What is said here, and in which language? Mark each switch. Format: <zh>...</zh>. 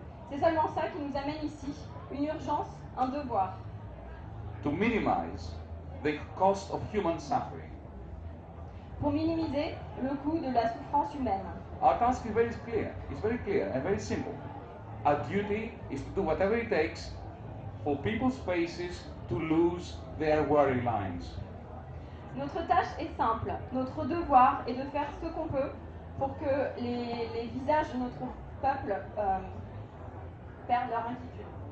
<fr>C'est seulement ça qui nous amène ici, une urgence, un devoir.</fr> <en>To minimize the cost of human suffering.</en> <fr>Pour minimiser le coût de la souffrance humaine.</fr> <en>Our task is very clear. It's very clear and very simple. Our duty is to do whatever it takes for people's faces to lose their worry lines.</en> <fr>Notre tâche est simple. Notre devoir est de faire ce qu'on peut pour que les visages de notre peuple perdent leur inquiétude.</fr>